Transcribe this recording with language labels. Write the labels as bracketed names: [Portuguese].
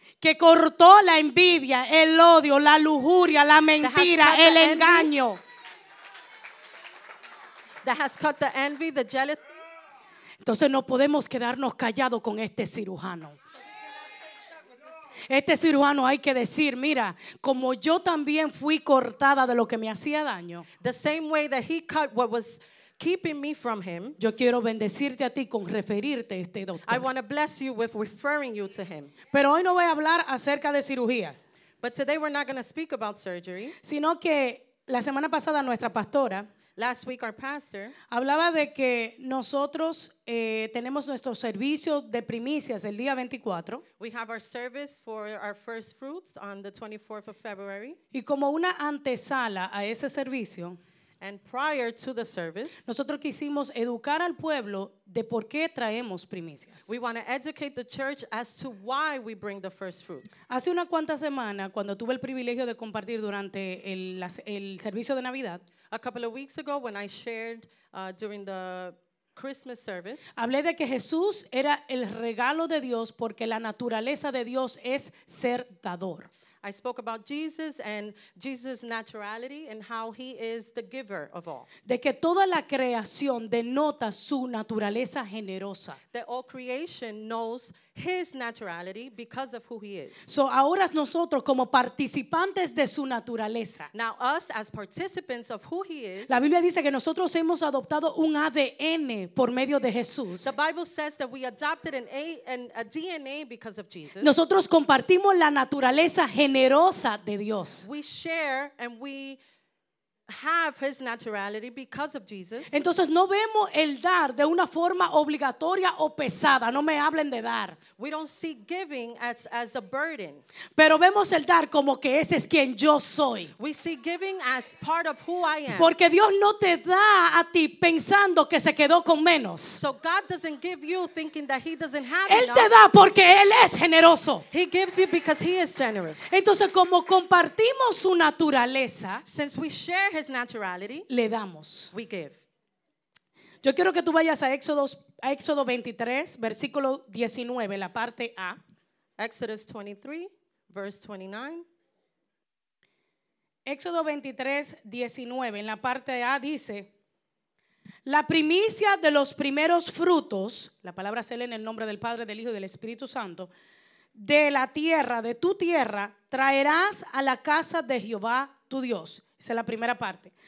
[Spanish] Que cortó la envidia, el odio, la lujuria, la mentira, el engaño. [English] That has cut the envy, the jealousy. [Spanish] Entonces no podemos quedarnos callados con este cirujano. Este cirujano hay que decir, mira, como yo también fui cortada de lo que me hacía daño. [English] The same way that he cut what was keeping me from him. [Spanish] Yo quiero bendecirte a ti con referirte a este doctor. [English] I want to bless you with referring you to him. [Spanish] Pero hoy no voy a hablar acerca de cirugía. [English] But today we're not going to speak about surgery. [Spanish] Sino que la semana pasada nuestra pastora, [English] last week our pastor, [Spanish] hablaba de que nosotros tenemos nuestro servicio de primicias el día 24. [English] We have our service for our first fruits on the 24th of February. [Spanish] Y como una antesala a ese servicio, [English] and prior to the service, [Spanish] nosotros quisimos educar al pueblo de por qué traemos primicias. [English] We want to educate the church as to why we bring the first fruits. [Spanish] Hace una cuanta semana, cuando tuve el privilegio de compartir durante el servicio de Navidad, [English] a couple of weeks ago when I shared during the Christmas service, [Spanish] hablé de que Jesús era el regalo de Dios porque la naturaleza de Dios es ser dador. [English] I spoke about Jesus and Jesus' naturality and how he is the giver of all. [Spanish] De que toda la creación denota su naturaleza generosa. [English] That all creation knows his naturality because of who he is. [Spanish] So ahora nosotros como participantes de su naturaleza. [English] Now us as participants of who he is. [Spanish] La Biblia dice que nosotros hemos adoptado un ADN por medio de Jesús. [English] The Bible says that we adopted a DNA because of Jesus. [Spanish] Nosotros compartimos la naturaleza generosa de Dios. [English] We share and we have his naturality because of Jesus. [Spanish] Entonces no vemos el dar de una forma obligatoria o pesada. No me hablen de dar. [English] We don't see giving as a burden. [Spanish] Pero vemos el dar como que ese es quien yo soy. [English] We see giving as part of who I am. [Spanish] Porque Dios no te da a ti pensando que se quedó con menos. [English] So God doesn't give you thinking that he doesn't have [Spanish] enough. Él te da porque él es generoso. [English] He gives you because he is generous. [Spanish] Entonces como compartimos su naturaleza, [English] since we share his naturality, [Spanish] le damos. [English] We give. [Spanish] Yo quiero que tú vayas a Éxodo 23, versículo 19, la parte A. [English] Exodus 23, verse 29. [Spanish] Éxodo 23, 19, en la parte A dice: la primicia de los primeros frutos, la palabra sale en el nombre del Padre, del Hijo y del Espíritu Santo, de la tierra, de tu tierra, traerás a la casa de Jehová tu Dios. Esa es la primera parte.